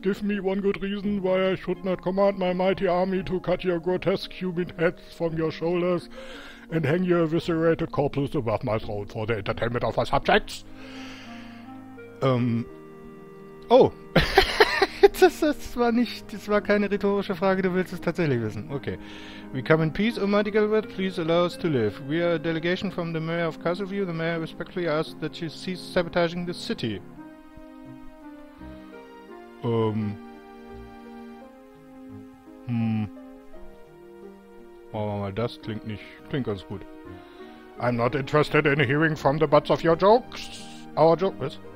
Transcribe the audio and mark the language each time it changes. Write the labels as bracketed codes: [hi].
[en] Give me one good reason why I should not command my mighty army to cut your grotesque human heads from your shoulders and hang your eviscerated corpses above my throne for the entertainment of my subjects. Oh! [de] Das war keine rhetorische Frage, du willst es tatsächlich wissen. [en] Okay. We come in peace, oh mighty Gilbert, please allow us to live. We are a delegation from the mayor of Castleview. The mayor respectfully asks that you cease sabotaging the city. [de] Machen wir mal das, klingt ganz gut. [en] I'm not interested in hearing from the butts of your jokes. Our joke, was?